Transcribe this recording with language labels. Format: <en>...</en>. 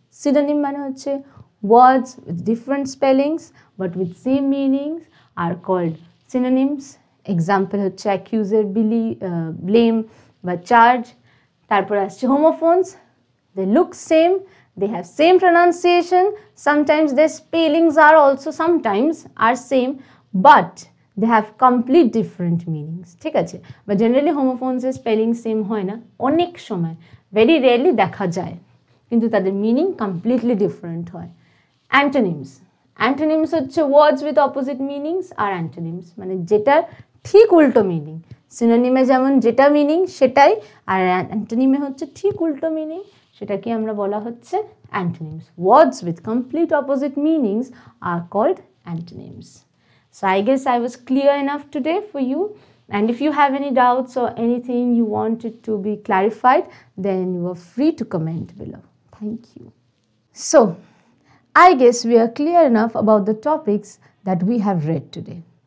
<en>synonym</en> <bn>মানে হচ্ছে</bn> <en>Words with different spellings but with same meanings are called synonyms.</en> <bn>Example হচ্ছে অ্যাকিউজার, বিলি, blame বা চার্জ। তারপর আসছে homophones,</bn> <en>They look same, They have same pronunciation, sometimes their spellings are also sometimes are same, but they have complete different meanings.</en> <bn>ঠিক আছে? But generally homophones এর spelling same হয় না অনেক সময়,</bn> <en>very rarely</en> <bn>দেখা যায়, কিন্তু তাদের meaning completely different হয়।</bn> <en>Antonyms, antonyms হচ্ছে words with opposite meanings are antonyms,</en> <bn>মানে যেটার ঠিক উল্টো</bn> <en>meaning।</en> <bn>Synonym এ যেমন যেটা meaning সেটাই, আর antonym এ হচ্ছে ঠিক উল্টো meaning, সেটাকে আমরা বলা হচ্ছে antonyms.</bn> <en>Words with complete opposite meanings are called antonyms. So I guess I was clear enough today for you. And if you have any doubts or anything you wanted to be clarified, then you are free to comment below. Thank you. So I guess we are clear enough about the topics that we have read today.</en>